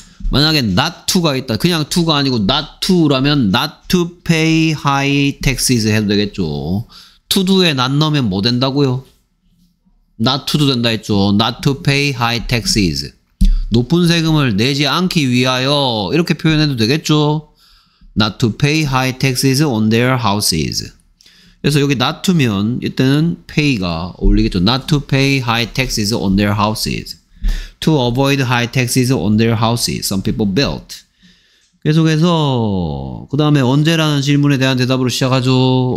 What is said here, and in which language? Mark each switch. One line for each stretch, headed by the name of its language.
Korean: 만약에 not to가 있다. 그냥 to가 아니고 not to라면
English: not to pay high taxes
Korean: 해도 되겠죠. to do에 not 넣으면 뭐 된다고요? not to do 된다 했죠.
English: not to pay high taxes.
Korean: 높은 세금을 내지 않기 위하여 이렇게 표현해도 되겠죠.
English: not to pay high taxes on their houses.
Korean: 그래서 여기 not to면 이때는 pay가 어울리겠죠.
English: not to pay high taxes on their houses. to avoid high taxes on their houses. some people built.
Korean: 계속해서 그 다음에 언제라는 질문에 대한 대답으로 시작하죠.